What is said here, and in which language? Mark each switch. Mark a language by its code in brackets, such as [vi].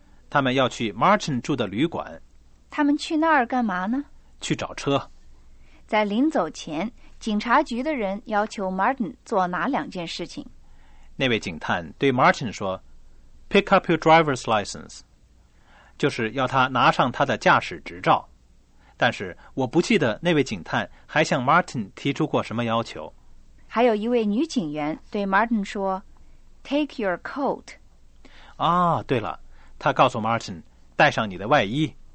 [zh] 他们要去 Martin 住的旅馆。他们去那儿干嘛呢？去找车。在临走前，警察局的人要求 Martin 做哪两件事情？那位警探对 Martin 说 ： [en] “Pick up your driver's license。” [zh] 就是要他拿上他的驾驶执照，但是我不记得那位警探还向 Martin 提出过什么要求。还有一位女警员对 Martin 说 ： [en] “Take your coat。” [zh] 啊，对了，他告诉 Martin 带上你的外衣。